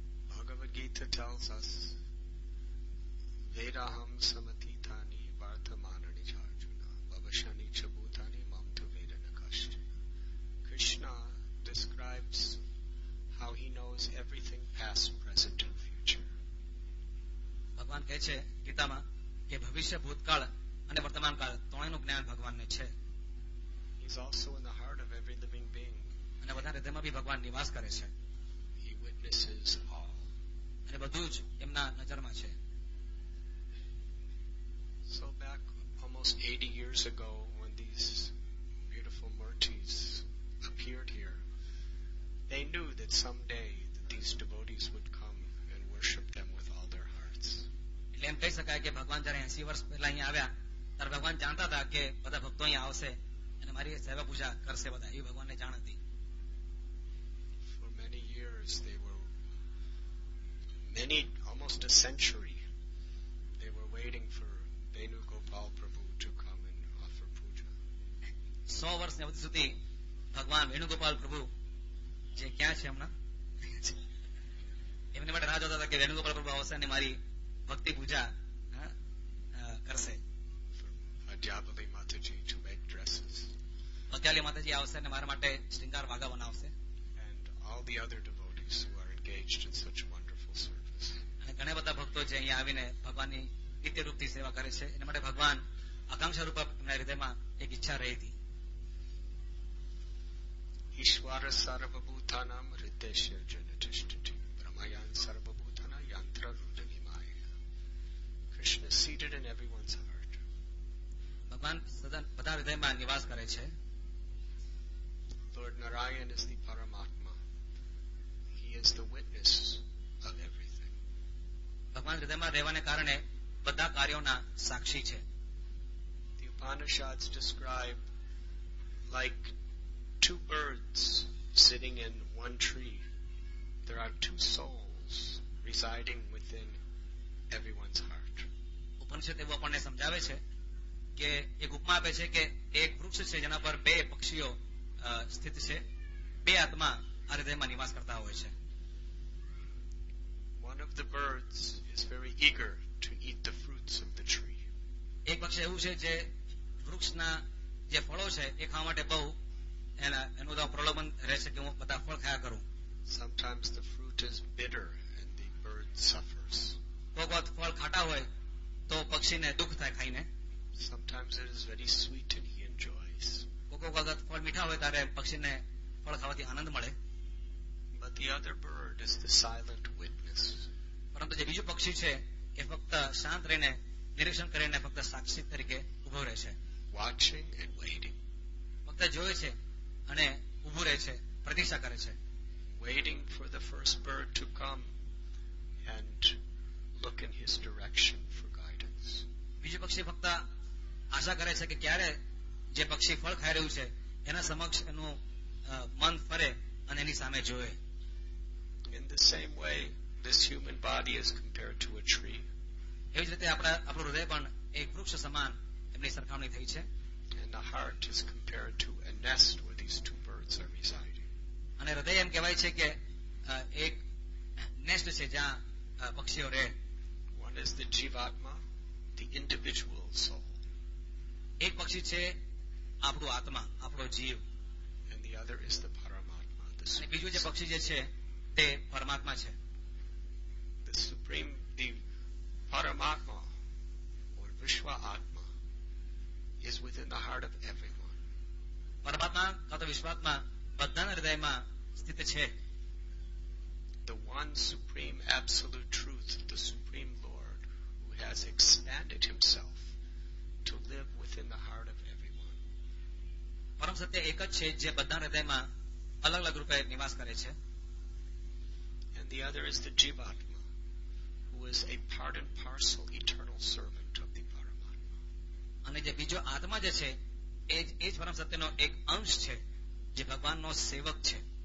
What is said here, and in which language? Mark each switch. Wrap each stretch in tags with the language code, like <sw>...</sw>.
<sa>Bhagavad Gita</sa> <en>tells us</en> <sa>વેરાહમ સમતીતાનિ વર્તમાનિ ચાર્જુના ભવશાની ચબૂતાનિ મમ તુ વેદન કષ્ટ.</sa> <en>Krishna describes how he knows everything past, present and future.</en> <gu>ભગવાન કહે છે ગીતામાં કે ભવિષ્ય ભૂતકાળ અને વર્તમાનકાળ ત્રણેયનું જ્ઞાન ભગવાનને છે.</gu> <en>He's also in the heart of every living being.</en> <gu>અને બધા હૃદયમાં ભી ભગવાન નિવાસ કરે છે.</gu> <en>He witnesses all.</en> <gu>અને બધું જ એમના નજરમાં છે.</gu> <en>So back almost 80 years ago when these beautiful murtis appeared here, they knew that someday that these devotees would come and worship them with all their hearts.</en> <gu>એટલે એમ કહી શકાય કે ભગવાન જ્યારે 80 વર્ષ પહેલા અહીં આવ્યા ત્યારે ભગવાન જાણતા હતા કે બધા ભક્તો અહીં આવશે અને મારી સેવા પૂજા કરશે બધા એ ભગવાનને જાણ હતી.</gu> <en>For many years they were many almost a century they were waiting for Venugopal Prabhu to come and offer puja.</en> <gu>100 વર્ષ સુધી ભગવાન વેણુગોપાલ પ્રભુ જે ક્યાં છે હમણાં એમની માટે રાહ જોતા હતા કે વેણુગોપાલ પ્રભુ આવશે અને મારી ભક્તિ પૂજા કરશે. અત્યારે માતાજી આવશે અને મારા માટે શ્રીંગાર વાગા બનાવશે.</gu> <en>All the other devotees who are engaged in such wonderful service.</en> <gu>ઘણા બધા ભક્તો જે અહીં આવીને ભગવાનની નિત્ય રૂપથી સેવા કરે છે એના માટે ભગવાન આકાંક્ષા રૂપે એમના હૃદયમાં એક ઈચ્છા રહી હતી.</gu> <sa>ઈશ્વર સર્વભૂતાનામ હૃદયસ્ય જનતિષ્ઠતિ બ્રહ્મયાન સર્વભૂતાનામ યંત્ર રુદનિમાય.</sa> <en>Krishna seated in everyone's heart.</en> <gu>ભગવાન સદા બધા હૃદયમાં નિવાસ કરે છે.</gu> <en>Lord Narayan is the paramatma. He is the witness of everything.</en> <gu>ભગવાન હૃદયમાં રહેવાને કારણે બધા કાર્યોના સાક્ષી છે.</gu> <en>The Upanishads describe like two birds sitting in one tree. There are two souls residing within everyone's heart.</en> <gu>ઉપનિષદ એવું આપણને સમજાવે છે કે એક ઉપમા આપે છે કે એક વૃક્ષ છે જેના પર બે પક્ષીઓ સ્થિત છે. બે આત્મા આ હૃદયમાં નિવાસ કરતા હોય છે.</gu> <en>One of the birds is very eager to eat the fruits of the tree.</en> <gu>એક પક્ષ એવું છે જે વૃક્ષના જે ફળો છે એ ખાવા માટે બહુ એનું તો પ્રલોભન રહે છે કે હું બધા ફળ ખાયા કરું.</gu> <en>Sometimes the fruit is bitter and the bird suffers.</en> <gu>કોઈક વાર ફળ ખાટા હોય તો પક્ષીને દુઃખ થાય ખાઈને.</gu> <en>Sometimes it is very sweet and he enjoys.</en> <gu>કોઈક વાર ફળ મીઠા હોય ત્યારે પક્ષીને ફળ ખાવાથી આનંદ મળે.</gu> <en>But the other bird is the silent witness.</en> <gu>પરંતુ જે બીજું પક્ષી છે એ ફક્ત શાંત રહીને નિરીક્ષણ કરીને ફક્ત સાક્ષી તરીકે ઉભો રહે છે.</gu> <en>Watching and waiting.</en> <gu>ફક્ત જોવે છે અને ઉભું રહે છે, પ્રતીક્ષા કરે છે.</gu> <en>Waiting for the first bird to come and look in his direction for guidance.</en> <gu>બીજું પક્ષી ફક્ત આશા કરે છે કે ક્યારે જે પક્ષી ફળ ખાઈ રહ્યું છે એના સમક્ષ એનું મન ફરે અને એની સામે જોવે.</gu> <en>In the same way, this human body is compared to a tree.</en> <gu>એવી જ રીતે આપણું હૃદય પણ એક વૃક્ષ સમાન એમની સરખામણી થઈ છે.</gu> <en>And the heart is compared to a nest where these two birds are residing.</en> <gu>અને હૃદય એમ કહેવાય છે કે એક નેસ્ટ છે જ્યાં પક્ષીઓ રહે.</gu> <en>One is the jivatma, the individual soul.</en> <gu>એક પક્ષી છે આપણો આત્મા, આપણો જીવ.</gu> <en>And the other is the paramatma. અને</en> <gu>બીજો જે પક્ષી જે છે તે પરમાત્મા છે.</gu> <en>The supreme, the paramatma or vishwa atma is within the heart of everyone.</en> <gu>પરમાત્મા કાતો વિશ્વાત્મા બધાના હૃદયમાં સ્થિત છે.</gu> <en>The one supreme absolute truth, the supreme lord who has expanded himself to live within the heart of everyone.</en> <gu>પરમ સત્ય એક જ છે જે બધાના હૃદયમાં અલગ અલગ રૂપે નિવાસ કરે છે.</gu> <en>And the other is the jivatma, who is a part and parcel eternal servant of the paramatma.</en> <gu>અને જે બીજો આત્મા જે છે એ જ પરમ સત્યનો એક અંશ છે જે ભગવાનનો સેવક છે.</gu>